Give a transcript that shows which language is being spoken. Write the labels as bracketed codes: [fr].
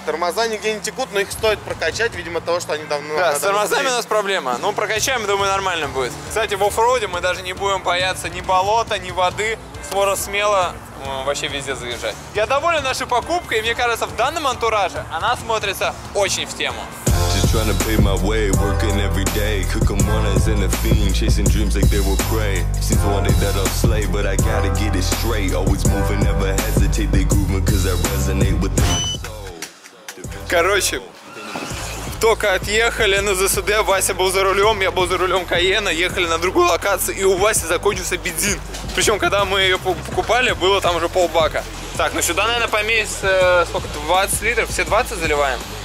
[ru] Тормоза нигде не текут, но их стоит прокачать, видимо, того, что они давно... Да, с тормозами стоит. У нас проблема. Ну, прокачаем, думаю, нормально будет. Кстати, в оффроуде мы даже не будем бояться ни болота, ни воды. Скоро смело вообще везде заезжать. Я доволен нашей покупкой, и мне кажется, в данном антураже она смотрится очень в тему. [en] Trying to pay my way, working every day, cooking mornings in the fiend, chasing dreams like they were prey. Since one day that I'll slay, but I gotta get it straight. Always moving, never hesitate, they grooving, cause I resonate with them. [ru] Короче, только отъехали на ЗСД, Вася был за рулем, я был за рулем Каена, ехали на другую локацию, и у Васи закончился бензин. Причем, когда мы ее покупали, было там уже полбака. Так, ну сюда, наверное, поместится, сколько, 20 литров, все 20 заливаем?